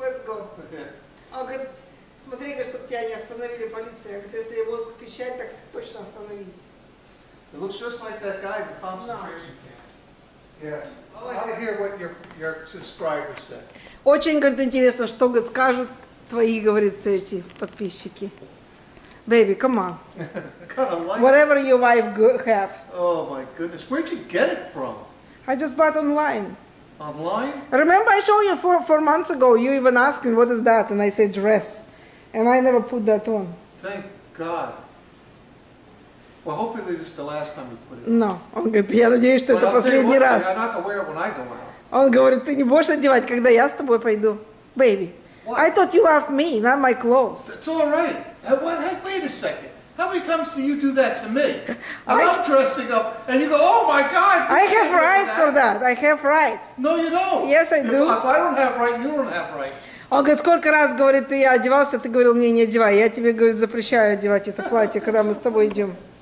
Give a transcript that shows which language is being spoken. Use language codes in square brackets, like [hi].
[en] let's go. Yeah. [ru] Он говорит, смотри, чтобы тебя не остановили полиция. Я говорю, если я буду печать, так точно остановись. [en] It looks just like that guy in the concentration camp. Yeah. I'd like to hear what your subscribers said. [ru] Очень, говорит, интересно, что, говорит, скажут. Твои, говорит, эти подписчики. [en] Baby, come on. Whatever your wife have. Oh my goodness, where'd you get it from? I just bought online. Online? Remember I showed you four months ago, you even asked me, what is that? And I said, dress. And I never put that on. Thank God. Well, hopefully this is the last time you put it on. No. [ru] Он говорит, я надеюсь, что это последний раз. [en] I'm not going to wear it when I go out. [ru] Он говорит, ты не будешь одевать, когда я с тобой пойду. [en] Baby. What? I thought you loved me, not my clothes. It's all right. Wait a second. How many times do you do that to me? I'm dressing up, and you go, oh my God. I have right for that. I have right. No, you don't. Yes, I do. If I don't have right, you don't have right. [ru] Он говорит, сколько раз, говорит, ты одевался, ты говорил мне, не одевай. Я тебе, говорит, запрещаю одевать это платье, когда мы с тобой идем.